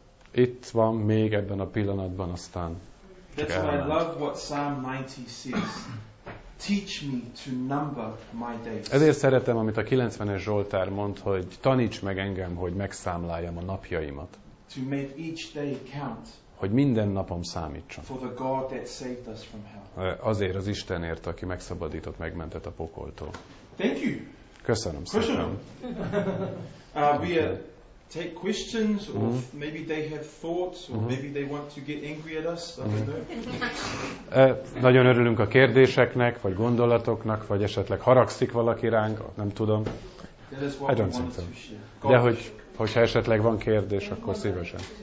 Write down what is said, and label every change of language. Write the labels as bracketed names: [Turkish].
[Hungarian] Itt van még ebben a pillanatban, aztán [English] that's why I love what Psalm 90 says. Teach me to number my days. [Hungarian] Ezért szeretem, amit a 90-es Zsoltár mond, hogy taníts meg engem, hogy megszámláljam a napjaimat. [English] To make each day count. [Hungarian] Hogy minden napom számítson. [English] For the God that saved us from hell. [Hungarian] Azért az Istenért, aki megszabadított, megmentett a pokoltól. [English] Thank you. [Hungarian] Köszönöm szépen. [English] Take questions or maybe they have thoughts or maybe they want to get angry at us. [Hungarian] Nagyon örülünk a kérdéseknek vagy gondolatoknak, vagy esetleg haragszik valaki ránk, nem tudom. [English] I don't think so. [Hungarian] De hogyha esetleg van kérdés, akkor szívesen.